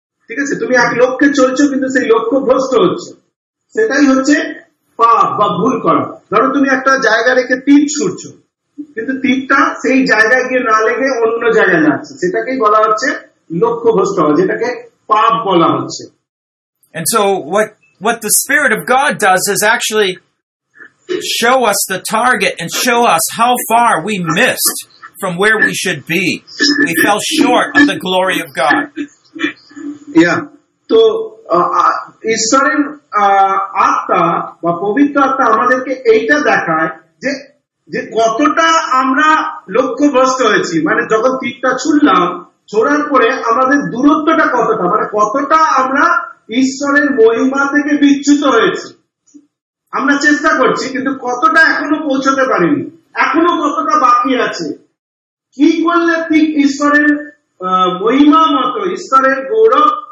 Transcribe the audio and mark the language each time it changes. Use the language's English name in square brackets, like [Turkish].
[Bangla] ঠিক আছে, তুমি এক লক্ষ্যে চলছো কিন্তু সেই লক্ষ্যভ্রষ্ট হচ্ছে। সেটাই হচ্ছে পাপ বা ভুল করা ধরো তুমি একটা জায়গা রেখে তীর ছুড়ছ কিন্তু তীরটা সেই জায়গায় গিয়ে না লেগে অন্য জায়গায় যাচ্ছে সেটাকেই বলা হচ্ছে লক্ষ্যভ্রষ্ট হওয়া যেটাকে পাপ বলা হচ্ছে [English] And so what the Spirit of God does is actually show us the target and show us how far we missed from where we should be. We fell short of the glory of God. Yeah. [Bangla] তো ঈশ্বরের আত্মা বা পবিত্র আত্মা আমাদেরকে এইটা দেখায় যে যে কতটা আমরা লক্ষ্যভ্রষ্ট হয়েছি মানে যখন তীরটা ছুড়লাম ছোড়ার পরে আমাদের দূরত্বটা কতটা মানে কতটা আমরা ঈশ্বরের মহিমা থেকে বিচ্যুত হয়েছি আমরা চেষ্টা করছি কিন্তু কতটা এখনো পৌঁছতে পারিনি এখনো কতটা বাকি আছে কি করলে ঠিক ঈশ্বরের মহিমা মতো ঈশ্বরের গৌরব